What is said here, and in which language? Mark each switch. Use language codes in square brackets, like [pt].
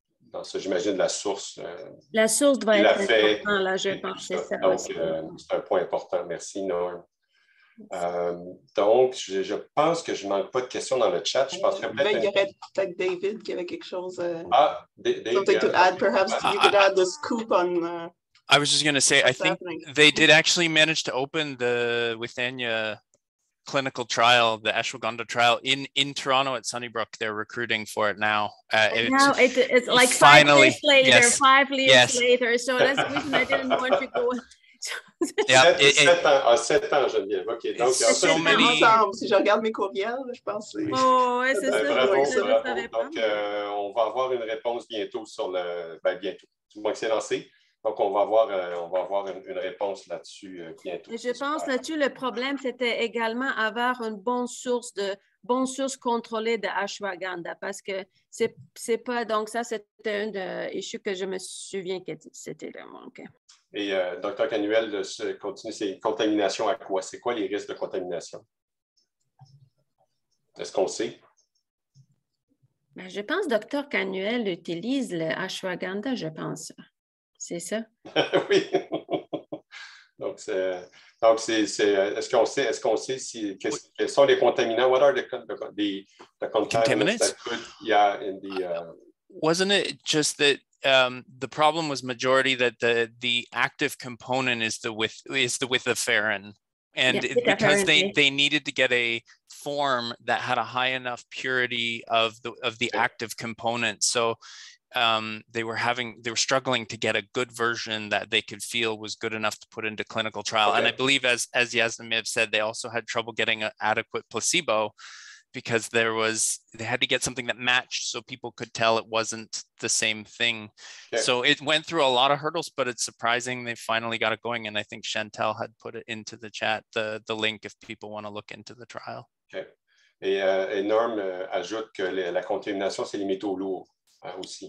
[fr] Dans ça, j'imagine la source. La source doit être importante, là, je pense. C'est ça. Donc, c'est un point important. Merci, Norm. Donc, je pense que je ne manque pas de questions dans le chat. Je pense qu'il y aurait peut-être David qui avait quelque chose. [en] Something to add, perhaps, you could add the scoop on. I was just going to say, I think they did actually manage to open the Withania clinical trial, the Ashwagandha trial in Toronto at Sunnybrook. They're recruiting for it now. It's like 5 years later, yes. 5 years yes. later. So that's the reason I didn't want to go. [fr] On va avoir une réponse bientôt sur le. Ben, bientôt. Du moins que c'est lancé. Donc, on va avoir une réponse là-dessus bientôt. Et je pense là-dessus, le problème, c'était également avoir une bonne source contrôlée de Ashwagandha, parce que c'est pas. Donc, ça, c'était un issue que je me souviens que c'était le manque. [en] Okay. [fr] Et Dr. Canuel, continue, c'est contamination à quoi? C'est quoi les risques de contamination? Est-ce qu'on sait? Ben, je pense que Dr. Canuel utilise le Ashwagandha, je pense. C'est ça? Oui. Donc, est-ce qu'on sait si quels sont les contaminants? [en] What are the contaminants? Wasn't it just that the problem was majority that the active component is the Witham-ferrin, and yeah, because they needed to get a form that had a high enough purity of the active component, so they were struggling to get a good version that they could feel was good enough to put into clinical trial. Okay. And I believe as Yasmin may have said, they also had trouble getting an adequate placebo, because they had to get something that matched so people could tell it wasn't the same thing. Okay. So it went through a lot of hurdles, but it's surprising they finally got it going. And I think Chantel had put it into the chat, the link, if people want to look into the trial. Okay. [fr] Et Norm ajoute que la contamination, c'est les métaux lourds aussi.